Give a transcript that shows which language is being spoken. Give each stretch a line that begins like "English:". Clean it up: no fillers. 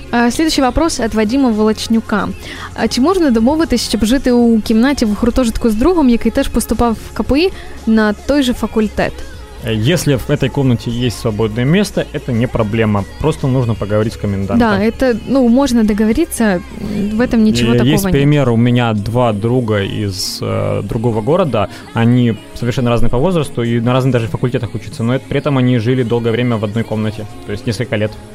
Russian: Следующий вопрос от Вадима Волочнюка.
Ukrainian: А чи можна домовитись, щоб жити у кімнаті в гуртожитку з другом, який теж поступав в КПІ на той же факультет?
Russian: Если в этой комнате есть свободное место, это не проблема. Просто нужно поговорить с комендантом. Да, это, ну, можно договориться, в этом ничего такого нет. Есть пример, у меня два друга из другого города, они совершенно разные по возрасту и на разных даже факультетах учатся, но при этом они жили долгое время в одной комнате, то есть несколько лет.